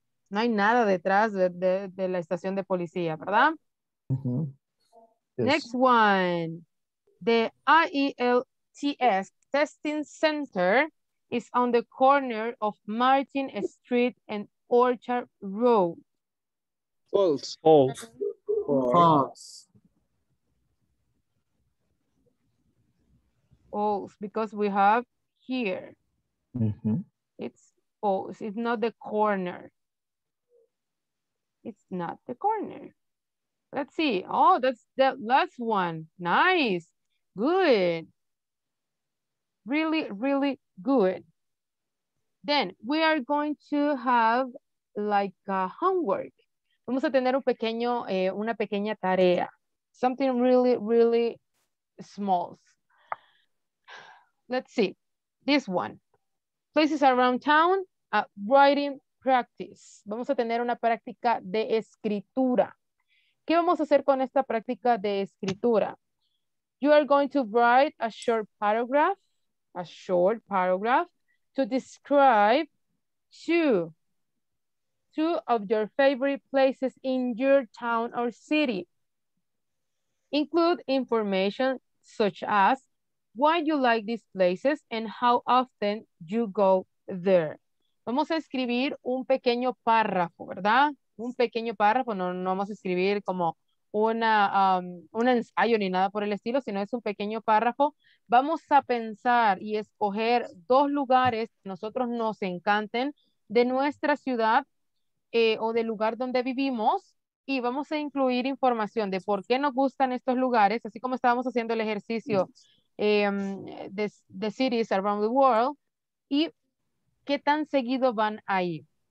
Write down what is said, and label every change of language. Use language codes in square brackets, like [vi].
[es] No hay nada detrás de la estación de policía, ¿verdad? [en] Yes. Next one. The IELTS testing center is on the corner of Martin Street and Orchard Road. False. False, because we have here. Mm-hmm. It's false. It's not the corner. It's not the corner. Let's see. Oh, that's the last one. Nice. Good. Really, really good. Then we are going to have like a homework. [es] Vamos a tener un pequeño, una pequeña tarea. [en] Something really, really small. Let's see, this one. Places around town, writing practice. [es] Vamos a tener una práctica de escritura. ¿Qué vamos a hacer con esta práctica de escritura? [en] You are going to write a short paragraph to describe two of your favorite places in your town or city. Include information such as why you like these places and how often you go there. [es] Vamos a escribir un pequeño párrafo, ¿verdad? Un pequeño párrafo, no vamos a escribir como un ensayo ni nada por el estilo, sino es un pequeño párrafo. Vamos a pensar y escoger dos lugares que nosotros nos encanten de nuestra ciudad o del lugar donde vivimos, y vamos a incluir información de por qué nos gustan estos lugares, así como estábamos haciendo el ejercicio the cities around the world, y qué tan seguido van ahí.